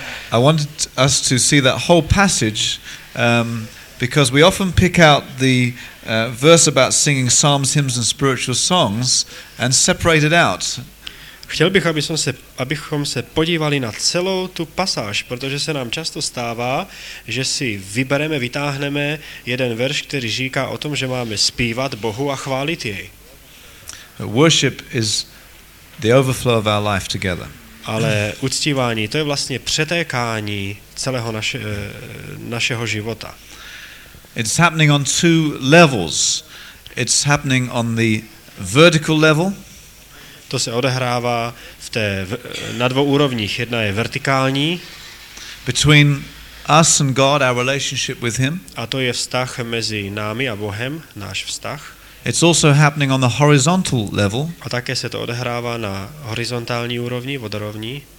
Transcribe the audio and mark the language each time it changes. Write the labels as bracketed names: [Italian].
[English] I wanted us to see that whole passage because we often pick out the verse about singing psalms, hymns and spiritual songs and separate it out. [Czech] Chtěl bych, abychom se podívali na celou tu pasáž, protože se nám často stává, že si vybereme, vytáhneme jeden verš, který říká o tom, že máme zpívat Bohu a chválit jej. [English] Worship is the overflow of our life together. [Czech] Ale uctívání, to je vlastně přetékání celého našeho života. [English] It's happening on two levels. It's happening on the vertical level. [Czech] To se odehrává na dvou úrovních. Jedna je vertikální. [English] Between us and God, our relationship with him. [Czech] A to je vztah mezi námi a Bohem, náš vztah. [English] It's also happening on the horizontal level. [Czech] A také se to odehrává na horizontální úrovni, vodorovní.